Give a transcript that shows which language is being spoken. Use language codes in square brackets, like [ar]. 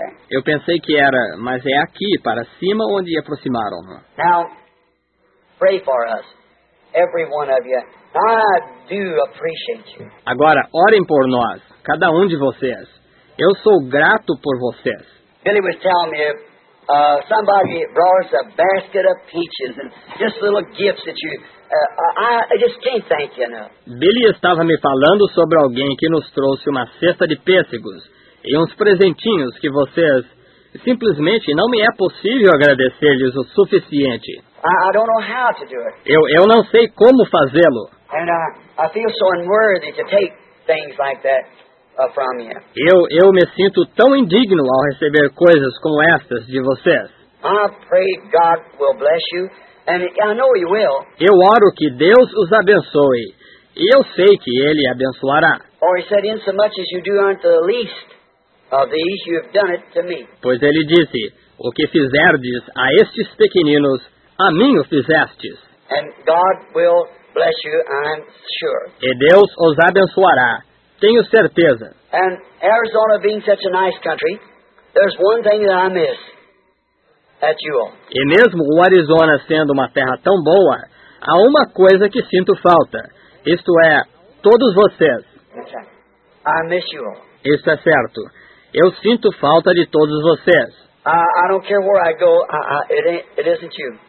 [pt] Eu pensei que era, mas é aqui, para cima, onde aproximaram-no. [en] Now, pray for us, every one of you. I do appreciate you. [pt] Agora, orem por nós, cada um de vocês. Eu sou grato por vocês. [en] Billy was telling me, somebody brought us a basket of peaches and just little gifts that you. I just can't thank you enough. [pt] Billy estava me falando sobre alguém que nos trouxe uma cesta de pêssegos e uns presentinhos que vocês simplesmente não me é possível agradecer-lhes o suficiente. [en] I don't know how to do it. [pt] Eu não sei como fazê-lo. [en] And I feel so unworthy to take things like that from you. [pt] Eu me sinto tão indigno ao receber coisas como estas de vocês. [en] I pray God will bless you. And I know he will. [pt] Eu oro que Deus os abençoe. E eu sei que ele abençoará. [en] Or he said, in so much as you do unto the least of these you have done it to me. [pt] Pois ele disse, o que fizerdes a estes pequeninos, a mim o fizestes. [en] And God will bless you, I'm sure. [pt] E Deus os abençoará, tenho certeza. [en] And Arizona being such a nice country, there's one thing that I miss. At you all. [pt] E mesmo o Arizona sendo uma terra tão boa, há uma coisa que sinto falta. Isto é, todos vocês. [en] I miss you all. [pt] Isso é certo. Eu sinto falta de todos vocês. [en] I don't care where I go. It isn't you.